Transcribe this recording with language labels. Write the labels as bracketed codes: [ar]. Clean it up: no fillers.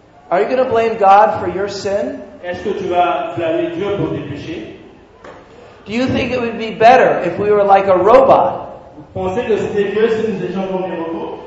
[en] Are you going to blame God for your sin? [fr] Est-ce que tu vas blâmer Dieu pour tes péchés? [en] Do you think it would be better if we were like a robot? [fr] Vous pensez que c'était mieux si nous étions comme des robots?